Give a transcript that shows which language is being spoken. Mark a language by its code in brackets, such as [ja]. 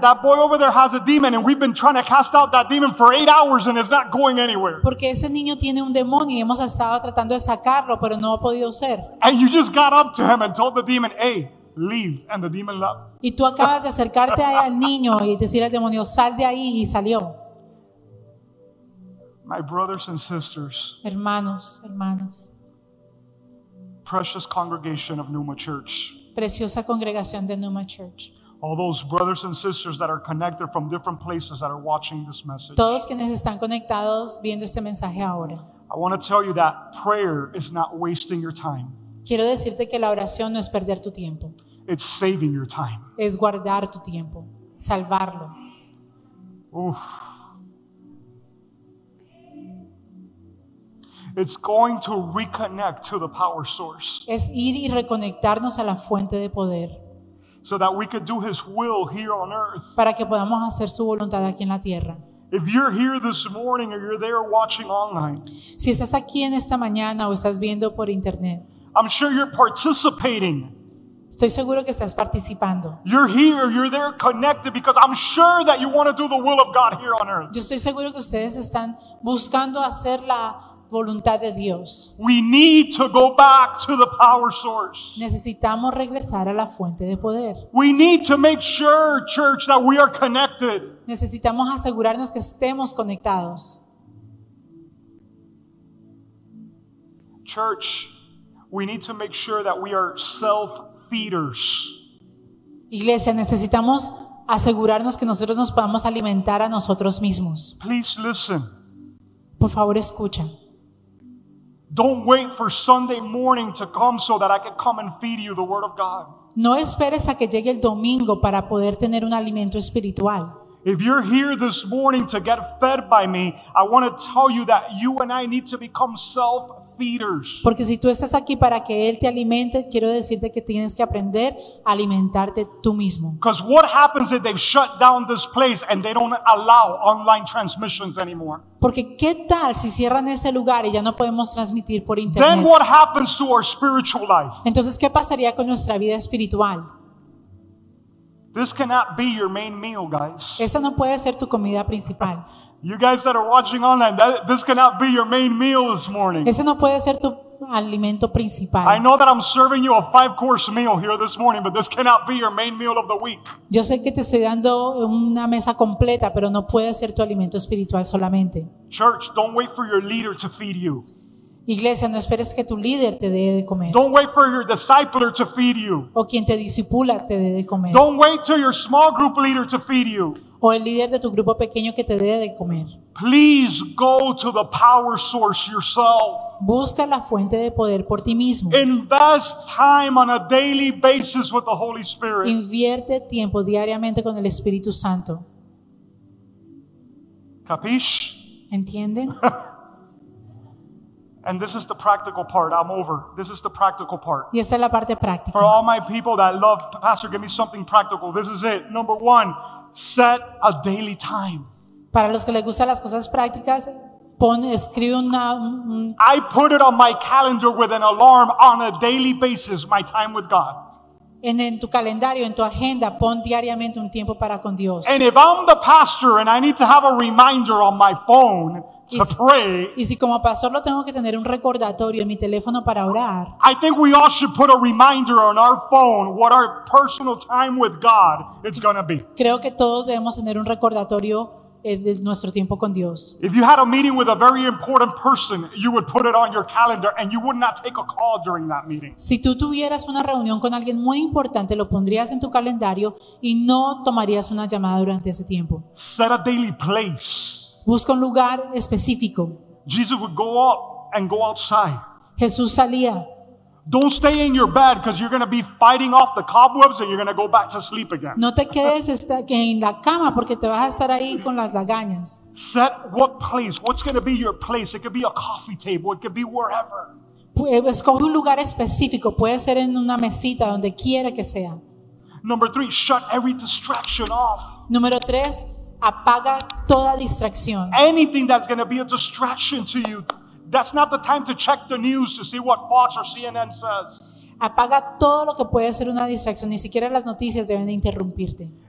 [en] That boy over there has a demon, and we've been trying to cast out that demon for 8 hours, and it's not going anywhere. [es] Porque ese niño tiene un demonio y hemos estado tratando de sacarlo, pero no ha podido ser. [en] And you just got up to him and told the demon, "Hey, leave," and the demon left. [es] Y tú acabas de acercarte al niño y decir al demonio, "Sal de ahí," y salió. [en] My brothers and sisters. [es] Hermanos, hermanas. [en] Precious congregation of Numa Church. [es] Preciosa congregación de Numa Church. [en] All those brothers and sisters that are connected from different places that are watching this message. [es] Todos quienes están conectados viendo este mensaje ahora. [en] I want to tell you that prayer is not wasting your time. [es] Quiero decirte que la oración no es perder tu tiempo. [en] It's saving your time. [es] Es guardar tu tiempo, salvarlo. [en] Oof. It's going to reconnect to the power source. [es] Es ir y reconectarnos a la fuente de poder. [en] So that we could do his will here on earth. [es] Para que podamos hacer su voluntad aquí en la tierra. [en] If you're here this morning or you're there watching online. [es] Si estás aquí en esta mañana o estás viendo por internet. [en] I'm sure you're participating. [es] Estoy seguro que estás participando. [en] You're here, you're there connected because I'm sure that you want to do the will of God here on earth. [es] Yo estoy seguro que ustedes están buscando hacer la voluntad de Dios. [en] We need to go back to the power source. [es] Necesitamos regresar a la fuente de poder. [en] We need to make sure, church, that we are connected. [es] Necesitamos asegurarnos que estemos conectados. [en] Church, we need to make sure that we are self-feeders. [es] Iglesia, necesitamos asegurarnos que nosotros nos podamos alimentar a nosotros mismos. [en] Please listen. [es] Por favor, escucha. [en] Don't wait for Sunday morning to come so that I can come and feed you the word of God. [es] No esperes a que llegue el domingo para poder tener un alimento espiritual. [en] If you're here this morning to get fed by me, I want to tell you that you and I need to become self-feeders. feeders. [es] Porque si tú estás aquí para que él te alimente, quiero decirte que tienes que aprender a alimentarte tú mismo. [en] Because what happens if they've shut down this place and they don't allow online transmissions anymore? [es] Porque ¿qué tal si cierran ese lugar y ya no podemos transmitir por internet? [en] Then what happens to our spiritual life? [es] Entonces, ¿qué pasaría con nuestra vida espiritual? [en] This cannot be your main meal, guys. [es] Esa no puede ser tu comida principal. [en] You guys that are watching online, that, this cannot be your main meal this morning. [es] Ese no puede ser tu alimento principal. [en] I know that I'm serving you a 5-course meal here this morning, but this cannot be your main meal of the week. [es] Yo sé que te estoy dando una mesa completa, pero no puede ser tu alimento espiritual solamente. [en] Church, don't wait for your leader to feed you. [es] Iglesia, no esperes que tu líder te dé de comer. [en] Don't wait for your discipler to feed you. [es] O quien te discipula te dé de comer. [en] Don't wait till your small group leader to feed you. [es] O el líder de tu grupo pequeño que te dé de comer. [en] Please go to the power source yourself. [es] Busca la fuente de poder por ti mismo. [en] Invest time on a daily basis with the Holy Spirit. [es] Invierte tiempo diariamente con el Espíritu Santo. [en] ¿Capiche? [es] ¿Entienden? [en] And this is the practical part. I'm over. This is the practical part. [es] Y esa es la parte práctica. [en] For all my people that love, Pastor, give me something practical. This is it. Number one, set a daily time. [es] Para los que les gustan las cosas prácticas, pon, escribe una. [en] I put it on my calendar with an alarm on a daily basis, my time with God. [es] En tu calendario, en tu agenda, pon diariamente un tiempo para con Dios. [en] And if I'm the pastor and I need to have a reminder on my phone to pray. [es] Y si como pastor lo tengo que tener un recordatorio en mi teléfono para orar. [en] I think we all should put a reminder on our phone what our personal time with God is going to be. [es] Creo que todos debemos tener un recordatorio de nuestro tiempo con Dios. [en] If you had a meeting with a very important person, you would put it on your calendar and you would not take a call during that meeting. [es] Si tú tuvieras una reunión con alguien muy importante, lo pondrías en tu calendario y no tomarías una llamada durante ese tiempo. [en] Set a daily place. [es] Busca un lugar específico. [en] Jesus would go up and go outside. [es] Jesús salía. [en] Don't stay in your bed because you're going to be fighting off the cobwebs and you're going to go back to sleep again. [es] No te quedes en la cama porque te vas a estar ahí con las lagañas. [en] Set what place? What's going to be your place? It could be a coffee table. It could be wherever. [es] Escoge un lugar específico. Puede ser en una mesita, donde quiera que sea. [en] Number three, shut every distraction off. [es] Número tres, apaga toda distracción. [en] Anything that's going to be a distraction to you. That's not the time to check the news to see what Fox or CNN says. [es] Apaga todo lo que puede ser una distracción. Ni siquiera las noticias deben de interrumpirte.